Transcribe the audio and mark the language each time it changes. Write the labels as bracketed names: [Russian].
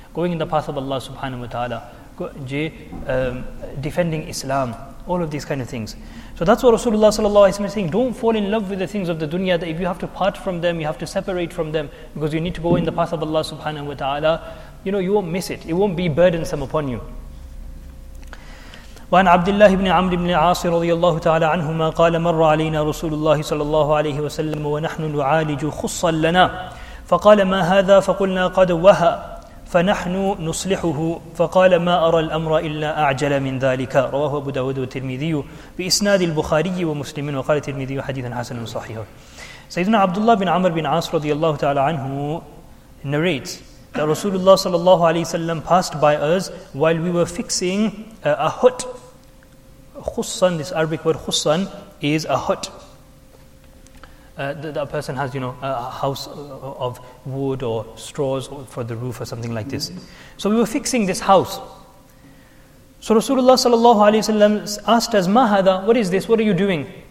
[English] Going in the path of Allah subhanahu wa ta'ala, defending Islam, all of these kind of things. So that's what Rasulullah sallallahu alayhi wa sallam is saying. Don't fall in love with the things of the dunya, that if you have to part from them, you have to separate from them, because you need to go in the path of Allah subhanahu wa ta'ala, you know, you won't miss it. It won't be burdensome upon you. [Arabic] وعن عبد الله بن عمرو بن العاص رضي الله تعالى عنهما قال مر علينا رسول الله صلى الله عليه وسلم ونحن نعالج خصا لنا فقال ما هذا فقلنا قد وهى فنحن نصلحه فقال ما أرى الأمر إلا أعجل من ذلك رواه أبو داود والترمذي بإسناد البخاري ومسلم وقال الترمذي حديثا حسنا صحيح سيدنا عبد الله بن عمرو بن العاص رضي الله تعالى عنه [English] narrates that Rasulullah sallallahu alayhi wa sallam passed by us while we were fixing a hut. Khussan, this Arabic word khussan, is a hut. That a person has, you know, a house of wood or straws for the roof or something like this. So we were fixing this house. So Rasulullah sallallahu alayhi wa sallam asked us, ma hadha, what is this, what are you doing?